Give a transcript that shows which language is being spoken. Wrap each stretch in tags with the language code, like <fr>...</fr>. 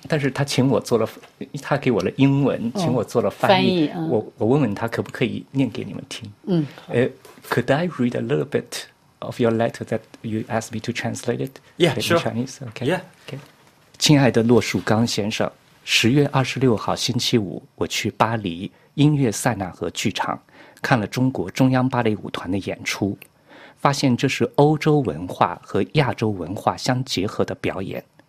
<zh>但是他请我做了，他给我了英文，请我做了翻译。我问问他可不可以念给你们听。</zh> <en>Could I read a little bit? Of your letter that you asked me to translate it, yeah, sure. In Chinese, okay. Yeah, okay.</en> <zh>亲爱的骆树刚先生，10月26号星期五，我去巴黎音乐塞纳河剧场看了中国中央芭蕾舞团的演出，发现这是欧洲文化和亚洲文化相结合的表演。</zh>